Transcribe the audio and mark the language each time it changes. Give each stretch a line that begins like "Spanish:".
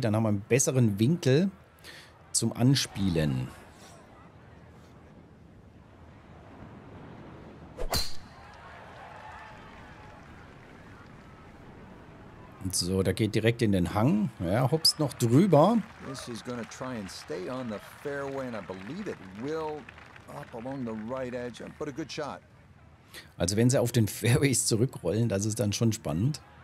German: Dann haben wir einen besseren Winkel zum Anspielen. Und so, da geht direkt in den Hang. Ja, hopst noch drüber.
English: This is gonna try and stay on the fairway and I believe it will up along the right edge. But a good shot.
German: Also wenn sie auf den Fairways zurückrollen, das ist dann schon spannend.